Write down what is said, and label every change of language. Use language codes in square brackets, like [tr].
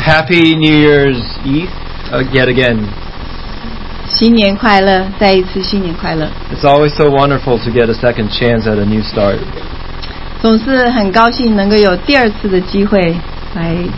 [en] happy New Year's Eve yet again. [zh] 新年快乐, 再一次新年快乐. [en] It's always so wonderful to get a second chance at a new start. [zh] 总是很高兴能够有第二次的机会来,